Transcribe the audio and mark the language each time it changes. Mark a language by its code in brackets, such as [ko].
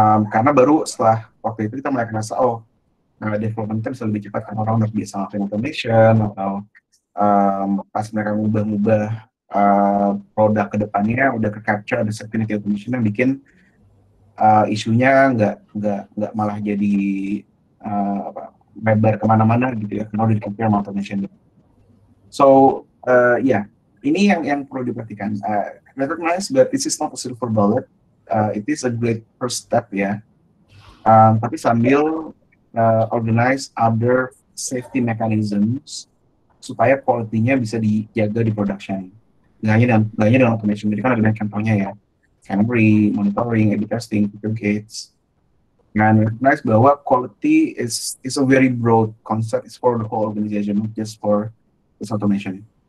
[id] Karena baru setelah waktu itu kita mulai ngerasa oh, nah, development bisa lebih cepat karena orang udah biasa ngelakuin automation atau pas mereka ngubah-ngubah produk kedepannya udah ke capture ada security automation yang bikin isunya nggak malah jadi lebar kemana-mana gitu ya kalau di capture sama automation. [en] So yeah, [id] ini yang perlu diperhatikan. [en] Recognize that this is not a silver bullet. It is a great first step ya. [id] Tapi sambil [en] organize other safety mechanisms [id] supaya quality-nya bisa dijaga di [en] production. [id] Gak hanya dengan automation, jadi kan ada banyak contohnya ya. [en] Canary, monitoring, A/B testing, feature gates. And recognize bahwa quality is a very broad concept. It's for the whole organization, not just for this automation.